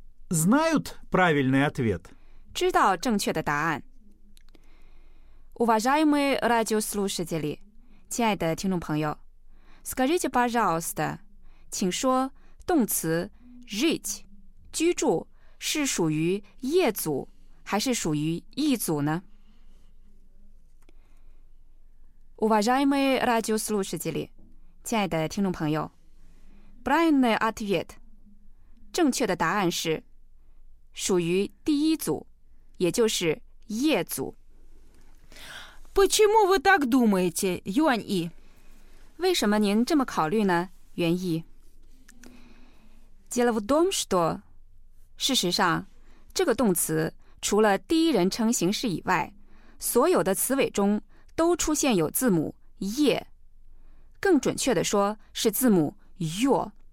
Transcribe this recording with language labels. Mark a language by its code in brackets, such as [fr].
[ru] Знают правильный ответ. [zh] 知道正确的答案. [ru] Уважаемые радиослушатели, [zh] 亲爱的听众朋友, [ru] скажите, пожалуйста, [zh] 请说动词 жить, 居住是属于业组还是属于义组呢? [ru] Уважаемые радиослушатели, [zh] 亲爱的听众朋友, [ru] правильный ответ, [zh] 正确的答案是属于第一组，也就是业组。 [ru] Почему вы так думаете, Юань И? [zh] 为什么您这么考虑呢，袁毅？ [ru] Дело в том, что [zh] 事实上，这个动词除了第一人称形式以外，所有的词尾中都出现有字母业，更准确的说是字母 yo。